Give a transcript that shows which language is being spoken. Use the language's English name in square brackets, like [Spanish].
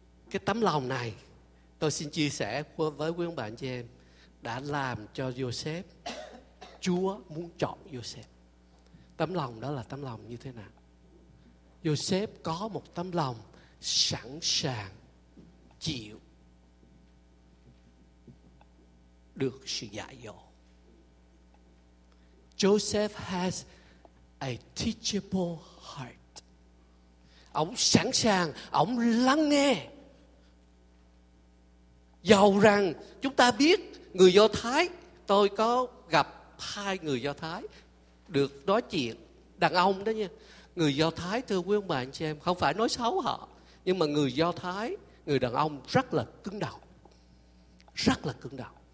[Vietnamese] Cái tấm lòng này tôi xin chia sẻ với quý ông bà anh chị em, đã làm cho Joseph, Chúa muốn chọn Joseph. Tấm lòng đó là tấm lòng như thế nào? Joseph có một tấm lòng sẵn sàng chịu được sự dạy dỗ. [English] Joseph has a teachable heart. [Vietnamese] Ông sẵn sàng, ông lắng nghe. Dầu rằng chúng ta biết người Do Thái, tôi có gặp hai người Do Thái được nói chuyện, đàn ông đó nha. Người Do Thái, thưa quý ông bà anh chị em, không phải nói xấu họ, nhưng mà người Do Thái, người đàn ông rất là cứng đầu. Rất là cứng đầu.